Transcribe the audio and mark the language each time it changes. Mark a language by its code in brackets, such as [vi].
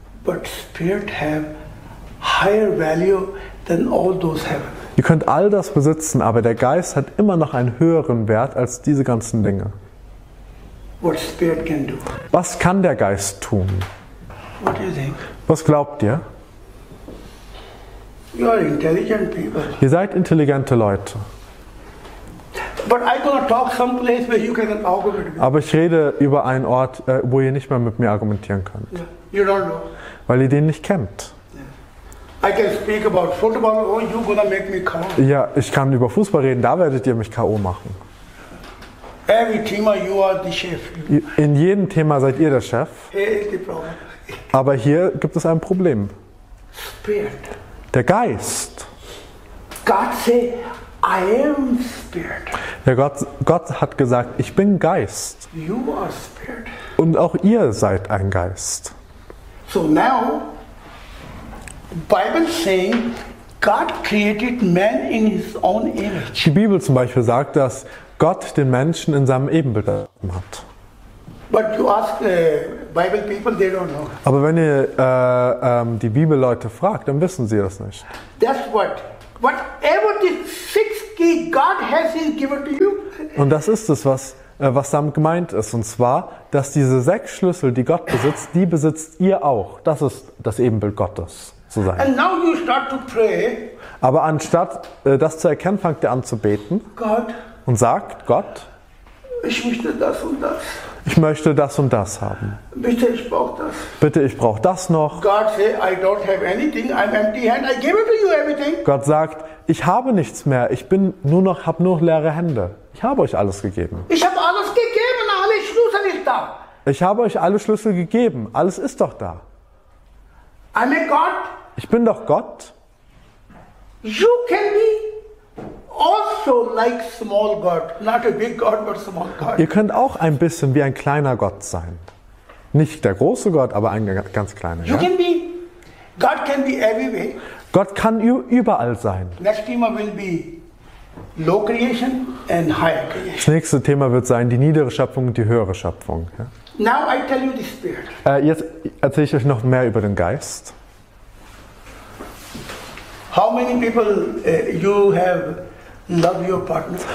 [en] But spirit have higher value than all those heaven. [de] Ihr könnt all das besitzen, aber der Geist hat immer noch einen höheren Wert als diese ganzen Dinge. [en] What spirit can do? [de] Was kann der Geist tun? [en] What do you think? [de] Was glaubt ihr? [en] You are intelligent people. [de] Ihr seid intelligente Leute. [en] But I cannot talk some place where you cannot argument with. [de] Aber ich rede über einen Ort, wo ihr nicht mehr mit mir argumentieren könnt. [en] Yeah. You don't know. [de] Weil ihr den nicht kennt. [en] Yeah. I can speak about football. Oh, you gonna make me KO. [de] Ja, ich kann über Fußball reden. Da werdet ihr mich KO machen. [en] Every Thema, you are the chef. [de] In jedem Thema seid ihr der Chef. [en] Here is the problem. [de] Aber hier gibt es ein Problem. [en] Spirit. [de] Der Geist. [en] God say, I am spirit. [de] Ja, Gott hat gesagt, ich bin Geist. [en] You are spirit. [de] Und auch ihr seid ein Geist. [en] So now, Bible saying, God created man in his own image. [de] Die Bibel zum Beispiel sagt, dass Gott den Menschen in seinem Ebenbild erschaffen hat. [en] But you ask Bible people, they don't know. [de] Aber wenn ihr die Bibelleute fragt, dann wissen sie das nicht. [en] That's what. Whatever the six key God has given to you. [de] Und das ist es, was damit gemeint ist. Und zwar, dass diese sechs Schlüssel, die Gott besitzt, die besitzt ihr auch. Das ist das Ebenbild Gottes zu sein. [en] And now you start to pray. [de] Aber anstatt das zu erkennen, fangt ihr an zu beten. [en] God. [de] Und sagt Gott. Ich möchte das und das. Ich möchte das und das haben. Bitte, ich brauche das. Bitte, ich brauche das noch. [en] God say, I don't have anything. I'm empty hand. I give it to you everything. [de] Gott sagt, ich habe nichts mehr. Ich bin nur noch, habe nur leere Hände. Ich habe euch alles gegeben. Ich habe alles gegeben. Alle Schlüssel sind da. Ich habe euch alle Schlüssel gegeben. Alles ist doch da. [en] I'm a God. [de] Ich bin doch Gott. [en] You can be. Also like small God, not a big God, but small God. [de] Ihr könnt auch ein bisschen wie ein kleiner Gott sein. Nicht der große Gott, aber ein ganz kleiner. [en] You can be, God can be everywhere. [de] Gott kann überall sein. [en] Next theme will be low creation and higher creation. [de] Das nächste Thema wird sein, die niedere Schöpfung und die höhere Schöpfung. Ja? [en] Now I tell you the spirit. [de] Jetzt erzähle ich euch noch mehr über den Geist. [en] How many people you have love your partner?